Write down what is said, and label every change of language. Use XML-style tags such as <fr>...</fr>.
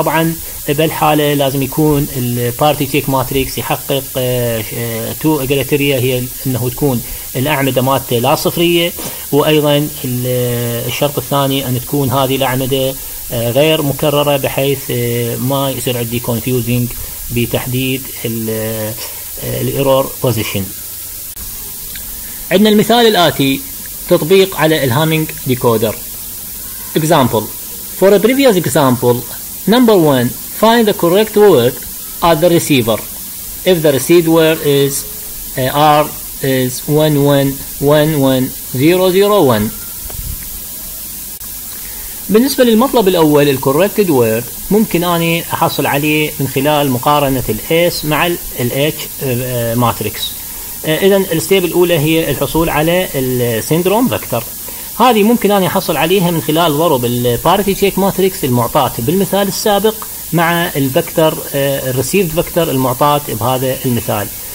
<ar>طبعا بالحالة لازم يكون البارتي تشيك ماتريكس يحقق 2 كريتيريا، هي أنه تكون الأعمدة مالته لا صفرية، وأيضا الشرط الثاني أن تكون هذه الأعمدة غير مكررة بحيث ما يصير عندي confusing بتحديد الإيرور بوزيشن. عندنا المثال الآتي تطبيق على الهامينج ديكودر.</ar> <en>Example. For a previous example, number one, find the correct word at the receiver. If the received word is R is 111001.</en> <ar>بالنسبة للمطلب الأول الـ corrected word ممكن أنا أحصل عليه من خلال مقارنة الـ S مع الـ H matrix. إذن الستيب الأولى هي الحصول على الـ syndrome vector. هذه ممكن أنا أحصل عليها من خلال ضرب الباريتي تشيك ماتريكس المعطاة بالمثال السابق مع الفكتر الريسيفد فكتر المعطاة بهذا المثال.</ar>